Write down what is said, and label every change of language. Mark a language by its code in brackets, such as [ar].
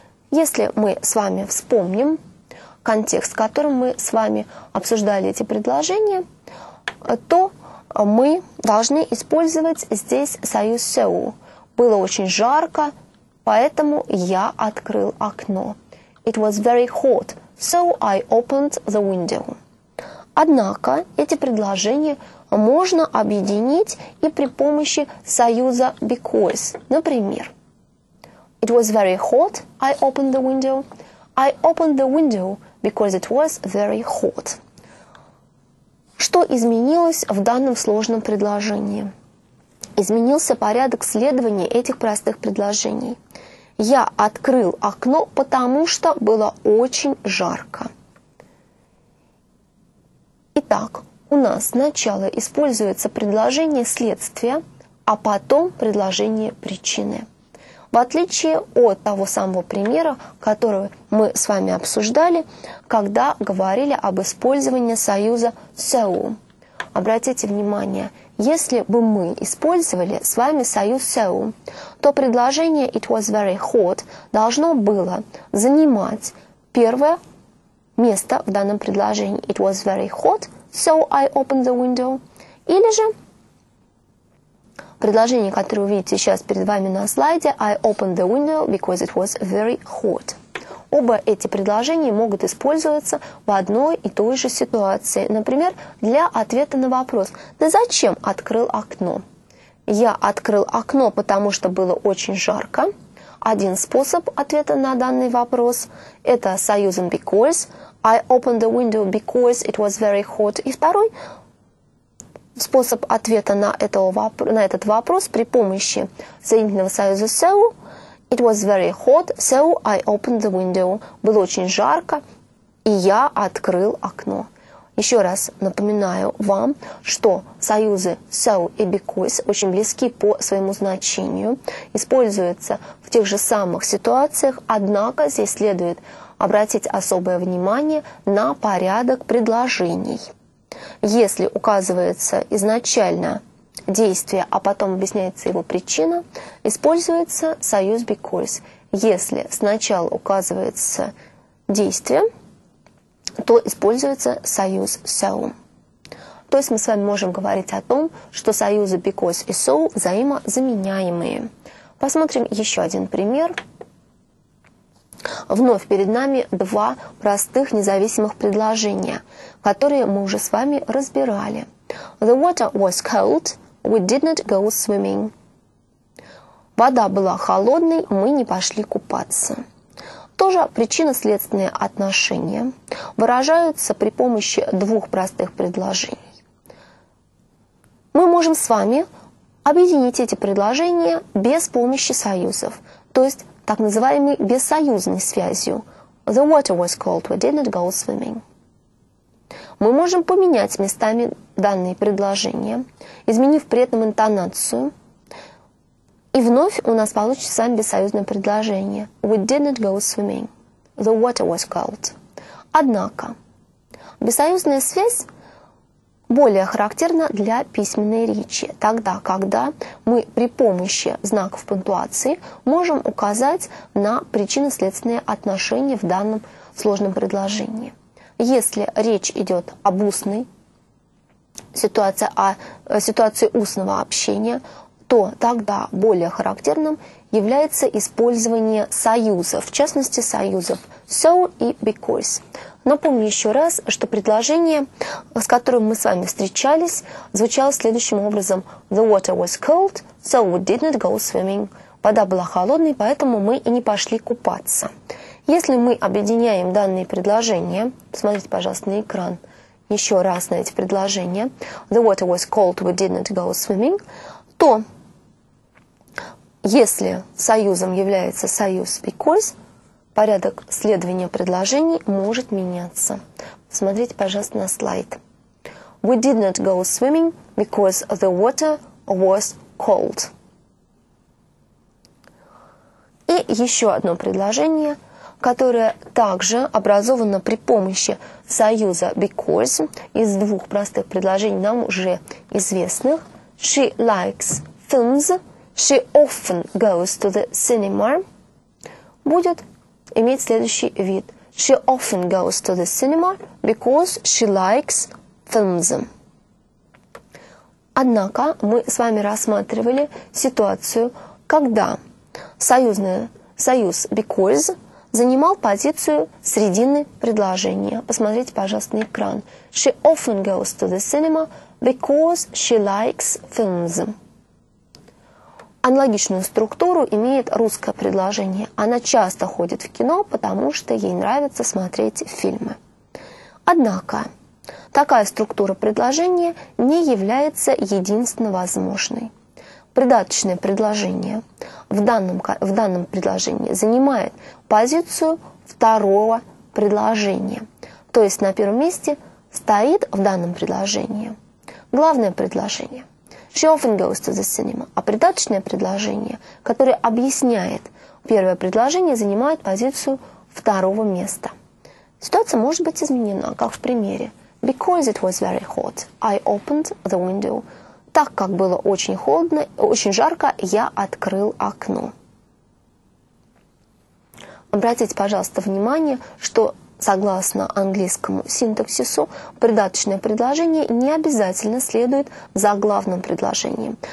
[ru] Если мы с вами вспомним контекст, в котором мы с вами обсуждали эти предложения, то мы должны использовать здесь союз so. Было очень жарко, поэтому я открыл окно. [en] It was very hot, so I opened the window. [ru] Однако эти предложения можно объединить и при помощи союза because. [en] Например, It was very hot, I opened the window. I opened the window because it was very hot. [ru] Что изменилось в данном сложном предложении? Изменился порядок следования этих простых предложений. Я открыл окно, потому что было очень жарко. Итак, у нас сначала используется предложение следствия, а потом предложение причины. В отличие от того самого примера, который мы с вами обсуждали, когда говорили об использовании союза so. Обратите внимание, если бы мы использовали с вами союз so, то предложение [en] it was very hot [ru] должно было занимать первое место в данном предложении. [en] It was very hot, so I opened the window. [ru] Или же предложение, которое вы видите сейчас перед вами на слайде, [en] I opened the window because it was very hot. [ru] Оба эти предложения могут использоваться в одной и той же ситуации. Например, для ответа на вопрос «Ты зачем открыл окно?» «Я открыл окно, потому что было очень жарко». Один способ ответа на данный вопрос – это союзом «because». [en] «I opened the window because it was very hot». [ru] И второй способ ответа на этот вопрос при помощи соединительного союза «so». [en] «It was very hot, so I opened the window». [ru] «Было очень жарко, и я открыл окно». Еще раз напоминаю вам, что союзы «so» и «because» очень близки по своему значению, используются в тех же самых ситуациях, однако здесь следует обратить особое внимание на порядок предложений. Если указывается изначально действие, а потом объясняется его причина, используется союз «because». Если сначала указывается действие, то используется союз «so». То есть мы с вами можем говорить о том, что союзы «because» и «so» взаимозаменяемые. Посмотрим еще один пример. Вновь перед нами два простых независимых предложения, которые мы уже с вами разбирали. [en] «The water was cold, we did not go swimming». [ru] «Вода была холодной, мы не пошли купаться». Тоже причинно-следственные отношения выражаются при помощи двух простых предложений. Мы можем с вами объединить эти предложения без помощи союзов, то есть так называемой бессоюзной связью. [en] The water was cold, we did not go swimming. [ru] Мы можем поменять местами данные предложения, изменив при этом интонацию. И вновь у нас получится с вами бессоюзное предложение. [en] We didn't go swimming. The water was cold. [ru] Однако, бессоюзная связь более характерна для письменной речи, тогда, когда мы при помощи знаков пунктуации можем указать на причинно-следственные отношения в данном сложном предложении. Если речь идет об устной ситуации, о ситуации устного общения, то тогда более характерным является использование союзов, в частности союзов «so» и «because». Напомню еще раз, что предложение, с которым мы с вами встречались, звучало следующим образом. [en] «The water was cold, so we did not go swimming». [ru] «Вода была холодной, поэтому мы и не пошли купаться». Если мы объединяем данные предложения, посмотрите, пожалуйста, на экран еще раз на эти предложения. [en] «The water was cold, we did not go swimming», [ru] то если союзом является союз because, порядок следования предложений может меняться. Посмотрите, пожалуйста, на слайд. [en] We did not go swimming because the water was cold. [ru] И еще одно предложение, которое также образовано при помощи союза because из двух простых предложений, нам уже известных. [en] She likes films. She often goes to the cinema. [ru] Будет иметь следующий вид. [en] She often goes to the cinema because she likes films. [ru] Однако мы с вами рассматривали ситуацию, когда союз because занимал позицию середины предложения. Посмотрите, пожалуйста, на экран. [en] She often goes to the cinema because she likes films. [ru] Аналогичную структуру имеет русское предложение. Она часто ходит в кино, потому что ей нравится смотреть фильмы. Однако, такая структура предложения не является единственно возможной. Придаточное предложение в данном предложении занимает позицию второго предложения. То есть на первом месте стоит в данном предложении главное предложение. [en] She often goes to the cinema. [ru] А придаточное предложение, которое объясняет первое предложение, занимает позицию второго места. Ситуация может быть изменена, как в примере. [en] Because it was very hot, I opened the window. [ru] Так как было очень холодно, очень жарко, я открыл окно. Обратите, пожалуйста, внимание, что согласно английскому синтаксису, придаточное предложение не обязательно следует за главным предложением.